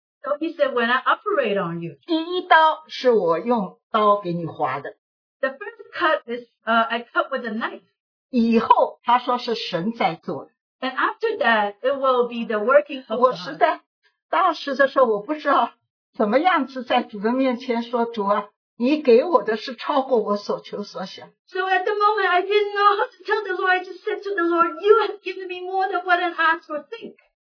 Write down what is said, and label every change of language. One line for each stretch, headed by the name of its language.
Chinese: So he said, when I operate on you. 第一刀是我用刀给你划的。
English: The first cut is, I cut with a knife.
Chinese: 以后他说是神在做的。
English: And after that, it will be the working of God.
Chinese: 我实在，当时的时候我不知道怎么样子在主的面前说主啊。你给我的是超过我所求所想。
English: So at the moment, I didn't know how to tell the Lord. I just said to the Lord, you have given me more than what I asked or think.